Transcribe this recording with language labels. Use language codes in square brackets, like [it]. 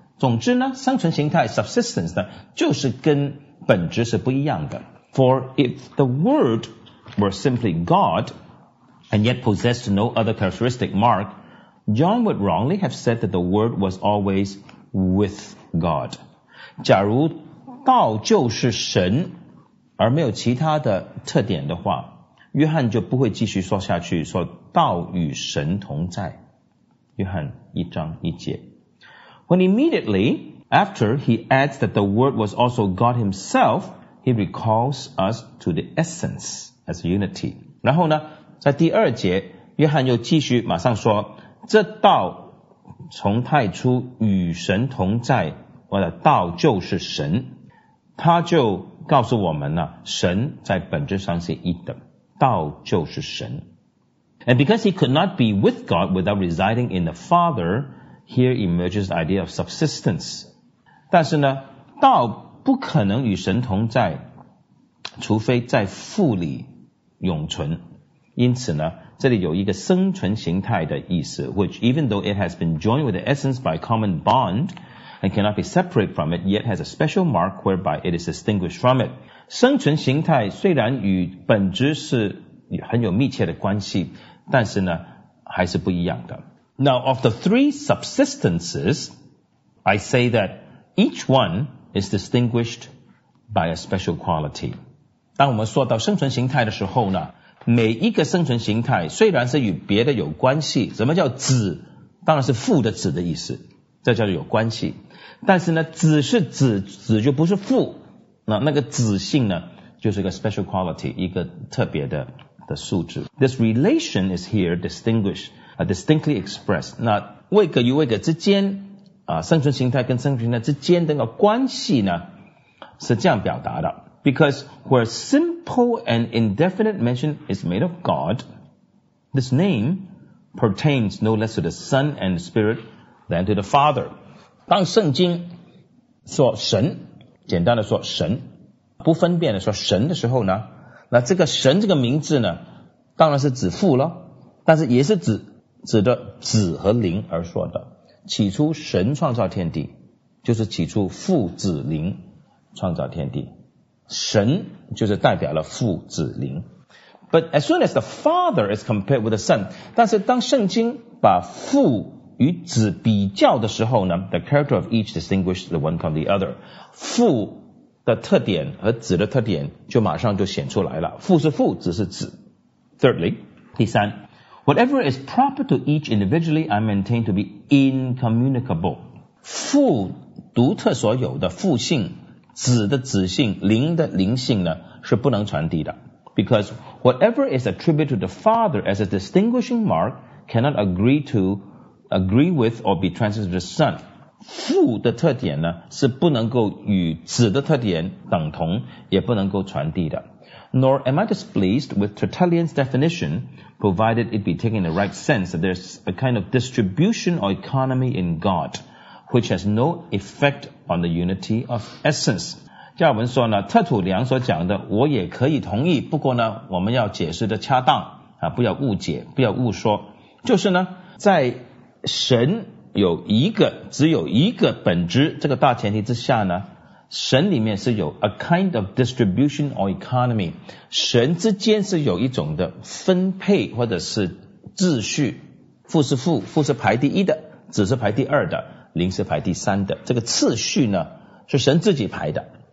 [zh] 总之呢，生存形态 subsistence 呢，就是跟本质是不一样的。 [en] For if the word were simply God, and yet possessed no other characteristic mark, John would wrongly have said that the word was always with God. [zh] 假如道就是神而没有其他的特点的话，约翰就不会继续说下去，说道与神同在。约翰一章一节。 [en] When immediately after he adds that the word was also God himself, he recalls us to the essence as unity. [zh] 然后呢，在第二节，约翰又继续马上说，这道从太初与神同在，或者道就是神。他就告诉我们呢，神在本质上是一的，道就是神。 [en] And because he could not be with God without residing in the Father, here emerges the idea of subsistence. [zh] 但是呢，道不可能与神同在，除非在父里永存。因此呢，这里有一个生存形态的意思， [en] which even though it has been joined with the essence by common bond,and cannot be separate from it, yet has a special mark whereby it is distinguished from it. [zh] 生存形态虽然与本质是很有密切的关系，但是呢，还是不一样的。 [en] Now, of the three subsistences, I say that each one is distinguished by a special quality. [zh] 当我们说到生存形态的时候呢，每一个生存形态虽然是与别的有关系，什么叫子？当然是父的子的意思。这叫做有关系，但是呢，子是子，子就不是父，那个子性呢，就是一个 [en] special quality, [zh] 一个特别的素质。 [en] This relation is here distinctly expressed. [zh] 那位格与位格之间啊，生存形态跟生存形态之间的那个关系呢，是这样表达的。 [en] Because where simple and indefinite mention is made of God, this name pertains no less to the Son and Spirit. Than to the Father. [zh] 当圣经说神，简单的说神，不分辨的说神的时候呢，那这个神这个名字呢，当然是指父了，但是也是指的子和灵而说的。起初神创造天地，就是起初父子灵创造天地。神就是代表了父子灵。 [en] But as soon as the Father is compared with the Son, [zh] 但是当圣经把父与子比较的时候呢 [en] ，the character of each distinguishes the one from the other. [zh] 父的特点和子的特点就马上就显出来了。父是父，子是子。Thirdly, [en] 第三 ，whatever is proper to each individually, I maintain to be incommunicable. [zh] 父独特所有的父性，子的子性，灵的灵性呢，是不能传递的。 [en] Because whatever is attributed to the Father as a distinguishing mark cannot agree with or be transmitted to the Son. [zh] 父的特点呢是不能够与子的特点等同，也不能够传递的。 [en] Nor am I displeased with Tertullian's definition, provided it be taken in the right sense that there's a kind of distribution or economy in God, which has no effect on the unity of essence. [zh] 加尔文说呢，特土良所讲的我也可以同意，不过呢我们要解释的恰当啊，不要误解，不要误说。就是呢在神有一个只有一个本质这个大前提之下呢，神里面是有 [en] a kind of distribution or economy， [zh] 神之间是有一种的分配或者是秩序，父是父，父是排第一的，子是排第二的，灵是排第三的，这个次序呢是神自己排的。